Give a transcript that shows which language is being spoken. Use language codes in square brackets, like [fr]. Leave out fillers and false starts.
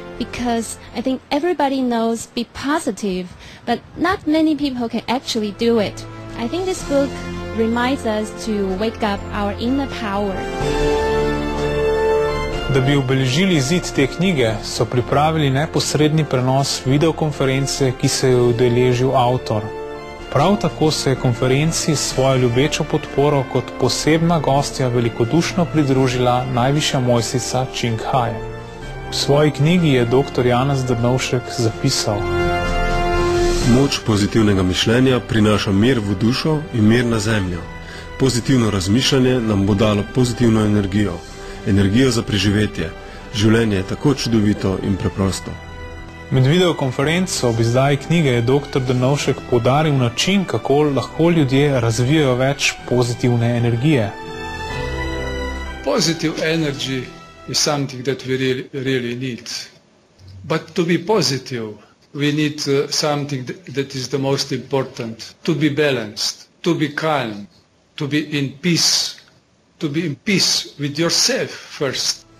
[en] Because I think everybody knows be positive, but not many people can actually do it. I think this book reminds us to wake up our inner power. [sl] Da bi obeležili izid te knjige, so pripravili neposredni prenos videokonference, ki se je udeležil avtor. Prav tako se je konferenci s svojo ljubečo podporo kot posebna gostja velikodušno pridružila najvišja mojstrica Ching Hai. V svoji knjigi je dr. Janez Drnovšek zapisal. Moč pozitivnega mišljenja prinaša mir v dušo in mir na zemljo. Pozitivno razmišljanje nam bo dalo pozitivno energijo za preživetje. Življenje je tako čudovito in preprosto. Med videokonferenco ob izdaji knjige je dr. Drnovšek poudaril način, kako lahko ljudje razvijajo več pozitivne energije. [en] Positive energy is something that we really need. But to be positive, we need something that is the most important. To be balanced, to be calm, to be in peace. To be in peace with yourself first.